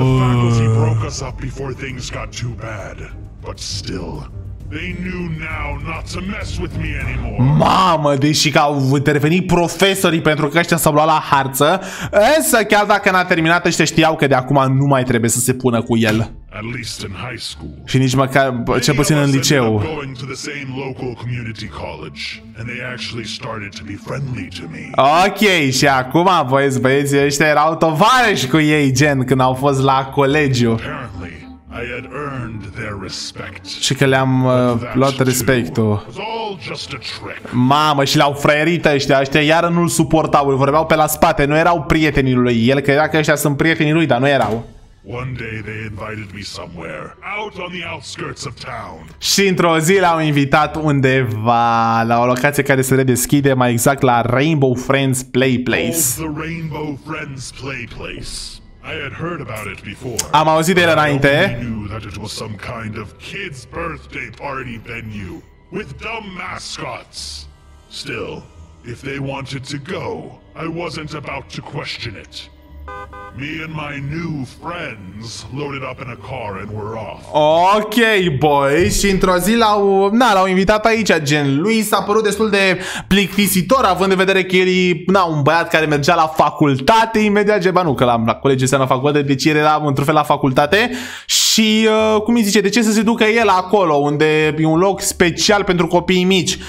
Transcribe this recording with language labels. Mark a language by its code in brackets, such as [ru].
[en] The faculty broke us up before things got too bad. But still, they knew now not to mess with me anymore. [ro] Mamă, deși că au intervenit profesorii pentru că ăștia s-au luat la harță, însă chiar dacă n-a terminat, ăștia știau că de acum nu mai trebuie să se pună cu el. [en] At least in high school. [ro] Și nici măcar, cel puțin în liceu. [en] They were going to the same local community college and they actually started to be friendly to me. [ro] Ok, și acum băieții ăștia erau tovarăși cu ei, gen, când au fost la colegiu. [en] Apparently, I had earned their respect. [ro] Și că le-am luat respectul. [en] It was all just a trick. [ro] Mamă, și l-au fraierit ăștia. Ăștia iară nu-l suportau, îl vorbeau pe la spate. Nu erau prietenii lui. El credea că ăștia sunt prietenii lui, dar nu erau. [en] One day they invited me somewhere out on the outskirts of town. [ro] Și într-o zi l-au invitat undeva la o locație care se redeschide, mai exact la Rainbow Friends Play Place. [en] The Rainbow Friends Play Place. I had heard about it before. [ro] Am auzit de el înainte. [en] I knew that it was some kind of kid's birthday party venue with dumb mascots. Still, if they wanted to go, I wasn't about to question it. Me and my new friends loaded up in a car and we're off. [ro] Ok, boy, și într-o zi l-au invitat aici, gen, lui s-a părut destul de plictisitor, având în vedere că el e, un băiat care mergea la facultate imediat, gen, la colegii se la facultate, deci era într-un fel la facultate. Și, cum îi zice, de ce să se ducă el acolo, unde e un loc special pentru copiii mici?